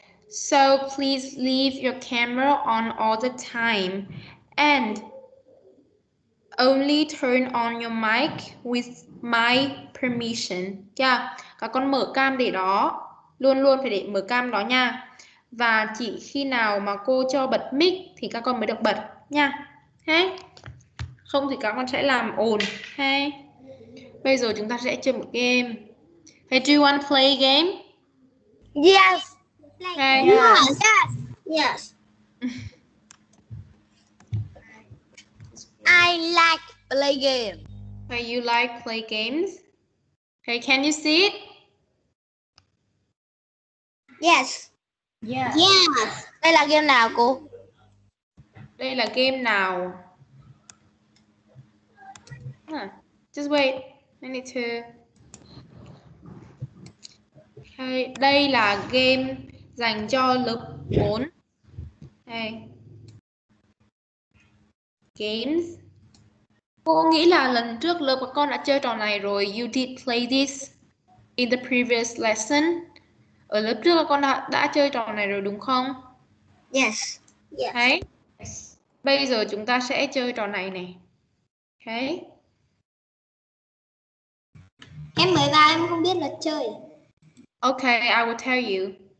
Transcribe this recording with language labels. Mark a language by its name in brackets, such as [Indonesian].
[English] So please leave your camera on all the time. And only turn on your mic with my permission. [Vietnamese] Yeah. Các con mở cam để đó. Luôn luôn phải để mở cam đó nha. Và chỉ khi nào mà cô cho bật mic thì các con mới được bật nha. Hey. Không thì các con sẽ làm ồn. Hey. Bây giờ chúng ta sẽ chơi một game. [English] Hey, do you want to play a game? Yes. Hey. Yes. Yes. Yes. I like play game. Or you like play games? Okay, can you see it? Yes. Yeah. Yes. [Vietnamese] Đây là game nào cô? Đây là game nào? [English] Just wait. I need to. [Vietnamese] Okay, đây là game dành cho lớp 4. Okay. Games. Cô nghĩ là lần trước lớp của con đã chơi trò này rồi. [English] You did play this in the previous lesson. [Vietnamese] Ở lớp trước con đã chơi trò này rồi đúng không? [English] Yes. Yes. Okay. [Vietnamese] Bây giờ chúng ta sẽ chơi trò này này. [English] Okay. [Vietnamese] Em mới vào em không biết là chơi. [English] Okay, I will tell you.